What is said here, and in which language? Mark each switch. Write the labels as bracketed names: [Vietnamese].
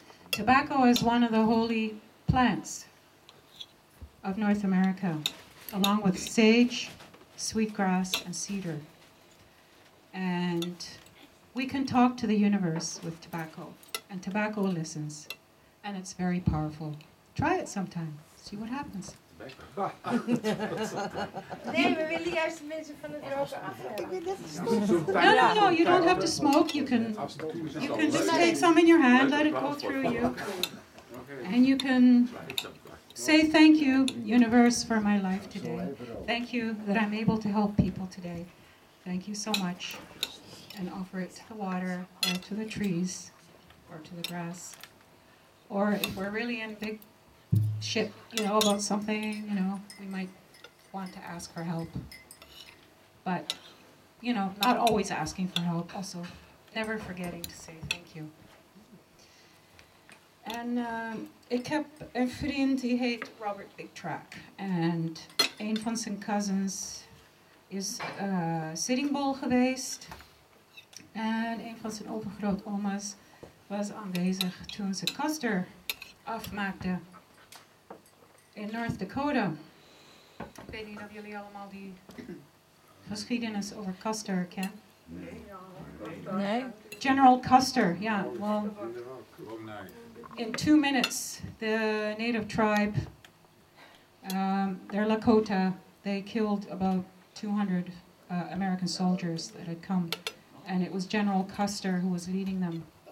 [English] Tobacco is one of the holy plants of North America, along with sage, sweetgrass, and cedar. And we can talk to the universe with tobacco, and tobacco listens, and it's very powerful. Try it sometime, see what happens. [Dutch] Nee, we willen juist mensen van het roken af. [English] No, you don't have to smoke. You can just take some in your hand, let it go through you, and you can say thank you, universe, for my life today. Thank you that I'm able to help people today. Thank you so much, and offer it to the water, or to the trees, or to the grass. Or if we're really in big shit, you know, about something, you know, we might want to ask for help. But, you know, not always asking for help, also never forgetting to say thank you. [Dutch] And ik heb een vriend die heet Robert Big Track, and een van zijn cousins is Sitting Bull geweest. En een van zijn overgrootoma's was aanwezig toen ze Custer afmaakte in North Dakota. Ik weet niet of jullie allemaal die geschiedenis over Custer kennen. Nee. General Custer, ja. [English] Well, in 2 minutes, the native tribe, their Lakota, they killed about 200 American soldiers that had come, and it was General Custer who was leading them.